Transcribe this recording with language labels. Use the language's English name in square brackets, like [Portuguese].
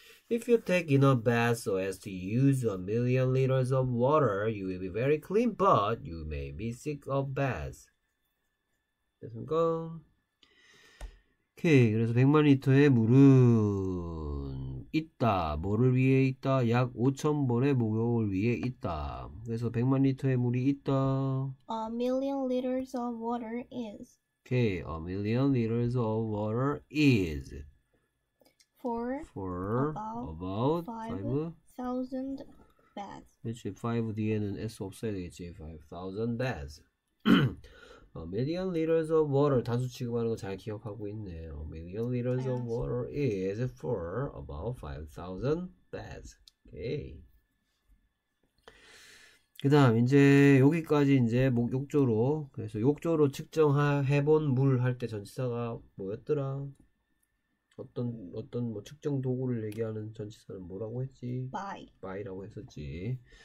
[English] If you take in a bath so as to use a million liters of water, you will be very clean, but you may be sick of bath. [Korean] 됐습니까? 오케이, 그래서 100만 리터의 물은 있다. 뭐를 위해 있다? 약 5,000번의 목욕을 위해 있다. 그래서 100만 리터의 물이 있다. [English] A million liters of water is. Okay, a million liters of water is for about 5,000 baths. [Korean] 그렇지, 5 뒤에는 s 없어야 되겠지. [English] 5,000 baths. A million liters of water. [Korean] 단수 취급하는 거 잘 기억하고 있네. [English] A million liters of water is for about 5,000 baths. Okay. [Korean] 그다음 이제 여기까지 이제 목욕조로 그래서 욕조로 측정해본 물 할 때 전치사가 뭐였더라? 어떤 뭐 측정 도구를 얘기하는 전치사는 뭐라고 했지? By라고 했었지.